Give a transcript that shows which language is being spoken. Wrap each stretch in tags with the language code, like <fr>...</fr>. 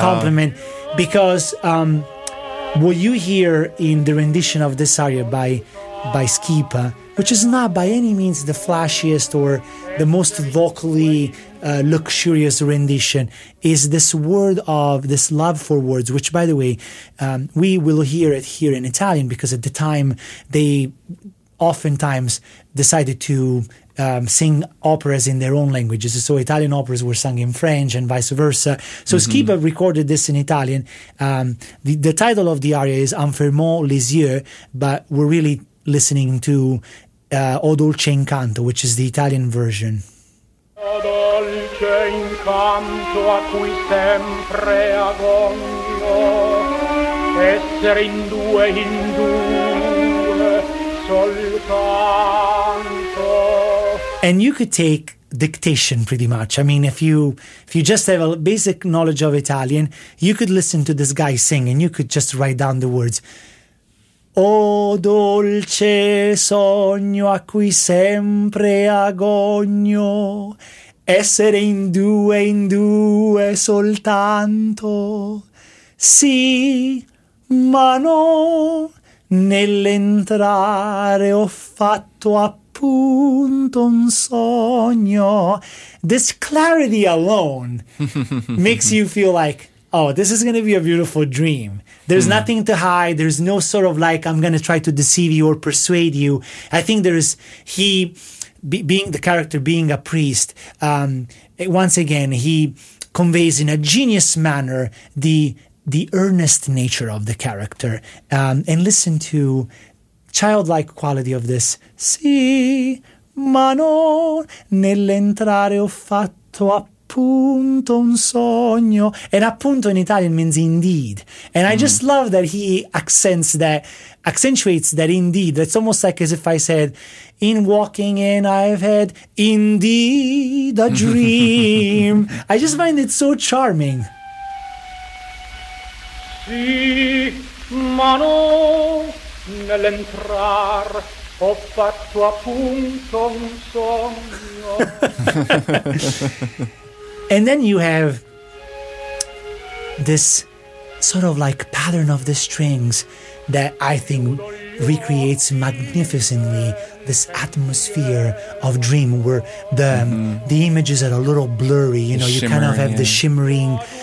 <en>compliment, because what you hear in the rendition of this aria by Schipa, which is not by any means the flashiest or the most vocally luxurious rendition, is this word of this love for words, which, by the way, we will hear it here in Italian, because at the time they oftentimes decided to sing operas in their own languages. So Italian operas were sung in French and vice versa. So mm-hmm. Schipa recorded this in Italian. The title of the aria is Enfermons les yeux, but we're really listening to O Dolce Incanto, which is the Italian version.</en> <it>O dolce incanto a cui sempre agonio, essere in due in due soltanto.</it> <en>And you could take dictation pretty much. I mean, if you just have a basic knowledge of Italian, you could listen to this guy sing and you could just write down the words.</en> <it>O dolce sogno a cui sempre agogno, essere in due soltanto, sì, ma no, nell'entrare ho fatto appunto un sogno.</it> <en>This clarity alone makes you feel like, oh, this is going to be a beautiful dream. There's nothing to hide. There's no sort of like, I'm going to try to deceive you or persuade you. I think there's he being the character, being a priest. Once again, he conveys in a genius manner the earnest nature of the character. And listen to childlike quality of this.</en> <it>Sì, ma non nell'entrare ho fatto appunto un sogno.</it> <en>And appunto in Italian means indeed. And I just love that he accentuates that indeed. It's almost like as if I said, in walking in, I've had indeed a dream. I just find it so charming.</en> <it>Sì, ma no, nell'entrar ho fatto appunto un sogno.</it> <en>And then you have this sort of like pattern of the strings that I think recreates magnificently this atmosphere of dream, where the images are a little blurry, you know, the shimmering.</en>